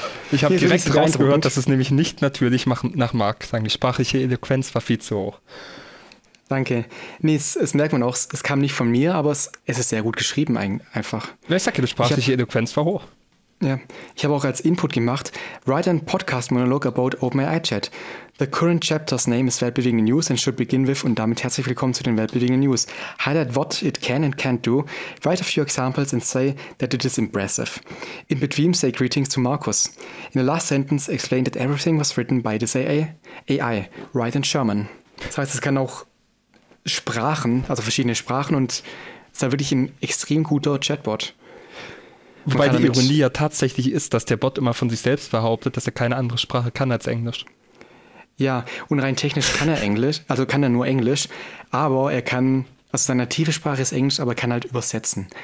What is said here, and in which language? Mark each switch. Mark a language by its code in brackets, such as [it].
[de] Ich habe direkt rausgehört, dass es nämlich nicht natürlich nach Marc sagen. Die sprachliche Eloquenz war viel zu hoch. Danke. Nee, es merkt man auch, es kam nicht von mir, aber es ist sehr gut geschrieben einfach. Ja, ich sag ja, die sprachliche Eloquenz war hoch. Ja, ich habe auch als Input gemacht, [en] write a podcast monologue about OpenAI-Chat. The current chapter's name is Weltbewegende News and should begin with, [de] und damit herzlich willkommen zu den Weltbewegenden News. [en] Highlight what it can and can't do, write a few examples and say that it is impressive. In between, say greetings to Markus. In the last sentence, explain that everything was written by this AI, write in German. [de] Das heißt, es kann auch Sprachen, also verschiedene Sprachen, und es ist wirklich ein extrem guter Chatbot. Wobei die Ironie ja tatsächlich ist, dass der Bot immer von sich selbst behauptet, dass er keine andere Sprache kann als Englisch. Ja, und rein technisch kann er Englisch, also kann er nur Englisch, aber er kann, also seine native Sprache ist Englisch, aber kann halt übersetzen.